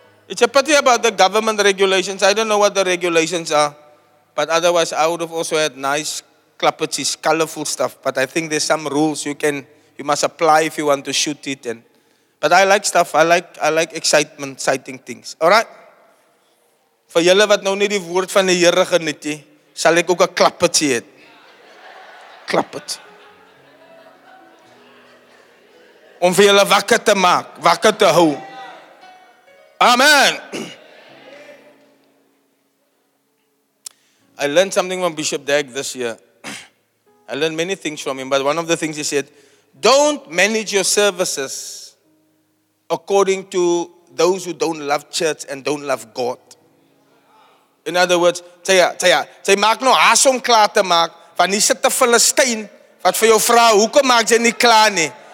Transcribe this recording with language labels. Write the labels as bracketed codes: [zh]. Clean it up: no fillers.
[en] It's a pity about the government regulations. I don't know what the regulations are. But otherwise, I would have also had nice clappages, colorful stuff. But I think there's some rules you must apply if you want to shoot it. But I like stuff. I like excitement, exciting things. All right? [af] For julle wat nou nie die woord van die Here geniet nie, sal ek ook 'n klappetjie hê. Klappet. Om vir julle wakker te maak, wakker te hou. Amen. [en] I learned something from Bishop Dagg this year. I learned many things from him, but one of the things he said, don't manage your services according to those who don't love church and don't love God. In other words, say, [af] maak nou haas om klaar te maak, want hier sit te veel steen, wat vir jou vrou, hoekom maak jy nie klaar nie?